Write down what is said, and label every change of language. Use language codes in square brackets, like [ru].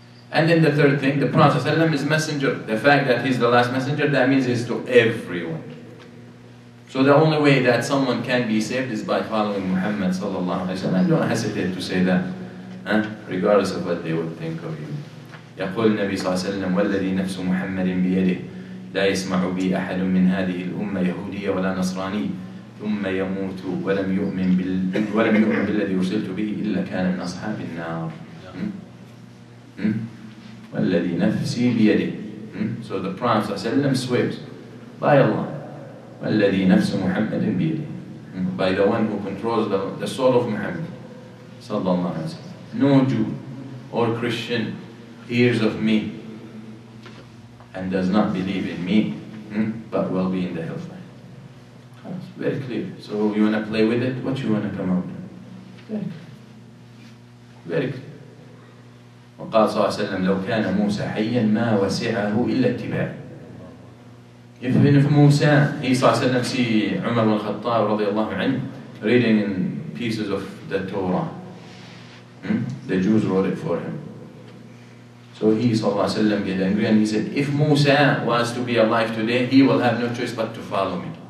[en] And then the third thing, the Prophet ﷺ is messenger. The fact that he's the last messenger, that means he's to everyone. So the only way that someone can be saved is by following Muhammad ﷺ. I don't hesitate to say that, regardless of what they would think of you. [ar] يقول النبي صلى الله عليه وسلم والذي نفس محمد بيده لا يسمع بي أحد من هذه الأمة يهودية ولا نصرانية ثم يموت ولم يؤمن بالذي أرسلت به إلا كان من أصحاب النار. والذي نفسي بيده. [en] So the Prophet صلى الله عليه وسلم swears by Allah. [ar] والذي نفس محمد بيده. [en] By the one who controls the soul of Muhammad صلى الله عليه وسلم. No Jew or Christian hears of me and does not believe in me, but will be in the hellfire. Very clear. So you want to play with it? What you want to come out with? Very clear. [ar] وقال صلى الله عليه وسلم لو كان موسى حيا ما وسعه إلا اتباع. [en] Even if Musa, he صلى الله عليه وسلم, see عمر بن الخطاب رضي الله عنه reading in pieces of the Torah. The Jews wrote it for him. So he صلى الله عليه وسلم get angry and he said, if Musa was to be alive today, he will have no choice but to follow me.